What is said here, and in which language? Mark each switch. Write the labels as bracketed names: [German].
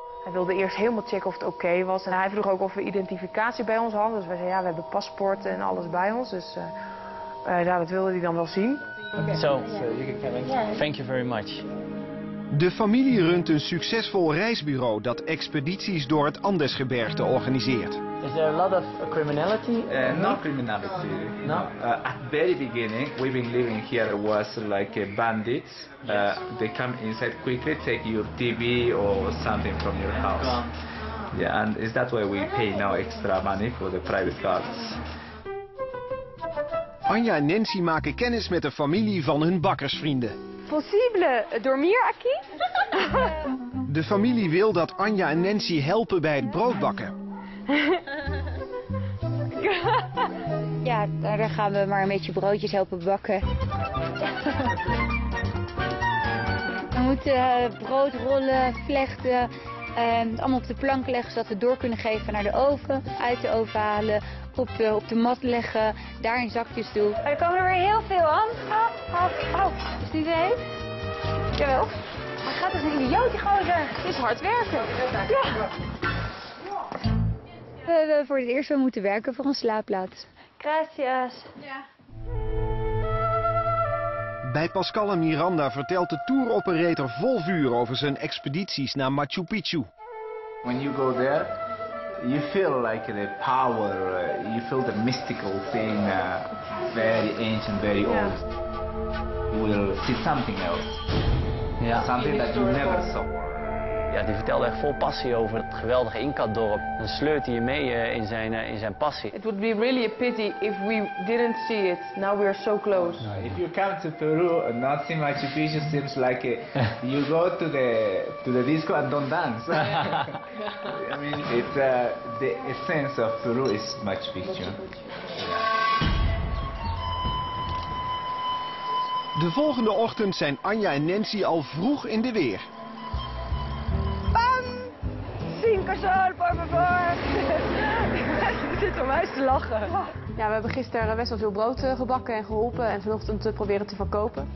[Dutch] Hij wilde eerst helemaal checken of het oké was. En hij vroeg ook of we identificatie bij ons hadden. Dus wij zeiden, ja, we hebben paspoorten en alles bij ons. Dus ja, dat wilde hij dan wel zien. [English] Okay. So, thank you very much. [Dutch] De familie runt een succesvol reisbureau dat expedities door het Andesgebergte organiseert. [English] Is there a lot of criminality? Not criminality. No. At the very beginning, we've been living here was like bandits. Yes. They come inside quickly, take your TV or something from your house. Yeah, and is that why we pay now extra money for the private cars? [Dutch] Anja en Nancy maken kennis met de familie van hun bakkersvrienden. [Spanish] Possible dormir aquí? [Dutch] De familie wil dat Anja en Nancy helpen bij het broodbakken. Ja, dan gaan we maar een beetje broodjes helpen bakken. We moeten brood rollen, vlechten, allemaal op de plank leggen zodat we door kunnen geven naar de oven. Uit de oven halen, op de mat leggen, daar in zakjes doen. Er komen er weer heel veel aan. Oh, oh, oh. Is die zee? Jawel. Hij gaat als een idiootje gozer. Het is hard werken. Ja. We hebben voor het eerst wel moeten werken voor een slaapplaats. [Spanish] Gracias. [Dutch] Ja. Bij Pascal en Miranda vertelt de touroperator vol vuur over zijn expedities naar Machu Picchu. [English] When you go there, you feel like the power, you feel the mystical thing, very ancient, very old. You will see something else. Yeah. Something that you never saw. [Dutch] Ja, die vertelde echt vol passie over het geweldige Inca-dorp. Dan sleurt hij je mee in zijn passie. [English] It would be really a pity if we didn't see it. Now we are so close. Oh, nice. If you come to Peru and not see Machu Picchu, seems like you go to the disco and don't dance. I mean, it's the essence of Peru is Machu Picchu. [Dutch] De volgende ochtend zijn Anja en Nancy al vroeg in de weer. Ik zit om huis te lachen. Ja, we hebben gisteren best wel veel brood gebakken en geholpen en vanochtend te proberen te verkopen.